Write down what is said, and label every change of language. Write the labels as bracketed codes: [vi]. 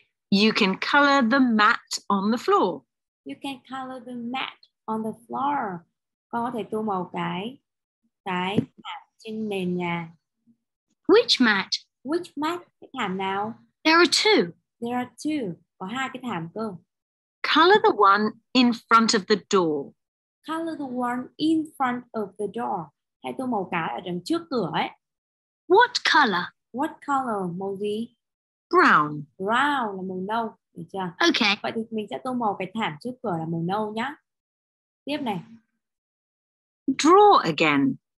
[en] You can color the mat on the floor. You can color the mat on the floor. [vi] Con có thể tô màu cái mat trên nền nhà. [en] Which mat? Which mat? [vi] Cái thảm nào? [en] There are two. There are two. [vi] Có hai cái thảm cơ. [en] Color the one in front of the door. Color the one in front of the door. [vi] Hay tô màu cái ở đằng trước cửa ấy. [en] What color? What color? [vi] Màu gì? [en] Brown. [vi] Brown là màu nâu. Được chưa? [en] Okay. [vi] Vậy thì mình sẽ tô màu cái thảm trước cửa là màu nâu nhá. Tiếp này. [en] Draw again.